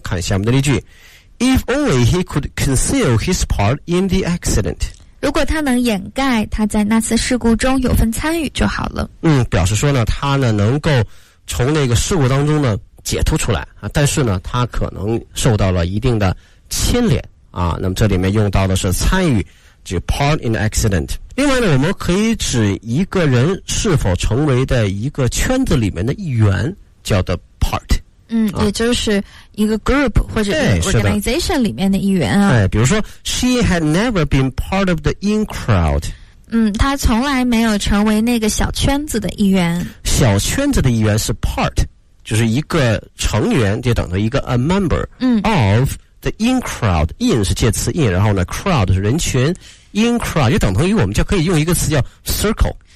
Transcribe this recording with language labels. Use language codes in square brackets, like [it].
[zh] 看下面的例句， [en] If only he could conceal his part in the accident， [zh] 如果他能掩盖他在那次事故中有份参与就好了。嗯，表示说呢他呢能够从那个事故当中呢解脱出来啊，但是呢他可能受到了一定的牵连啊。那么这里面用到的是参与，就 [en] part in accident。 [zh] 另外呢我们可以指一个人是否成为的一个圈子里面的一员，叫做 part。嗯，也就是一个 group 或者 organization 里面的一员啊。哎，比如说 [en] she had never been part of the in crowd。 [zh] 嗯，他从来没有成为那个小圈子的一员。小圈子的一员是 part，就是一个成员，就等于一个 [en] a member of the in crowd。 [zh] in 是介词 in， 然后呢 crowd 是人群， [en] in crowd [zh] 就等同于我们就可以用一个词叫 circle。